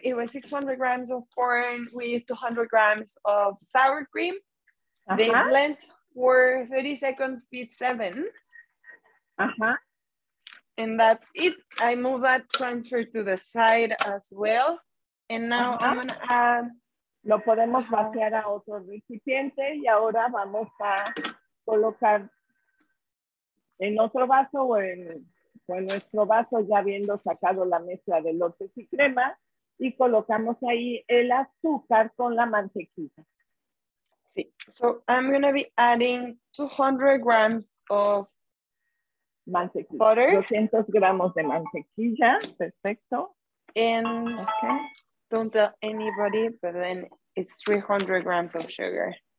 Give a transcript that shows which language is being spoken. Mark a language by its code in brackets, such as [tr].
[en] It was 600 grams of corn with 200 grams of sour cream. Uh-huh. They blend for 30 seconds, speed 7. Uh-huh. And that's it. I move that transfer to the side as well. And now uh-huh. I'm going to add. [es] Lo podemos vaciar a otro recipiente y ahora vamos a colocar. En otro vaso o en nuestro vaso, ya habiendo sacado la mezcla de elotes y crema, y colocamos ahí el azúcar con la mantequilla. [en] Sí, so I'm going to be adding 200 grams of [es] mantequilla. [en] Butter. [es] 200 gramos de mantequilla, perfecto. [en] And okay. Don't tell anybody, but then it's 300 grams of sugar.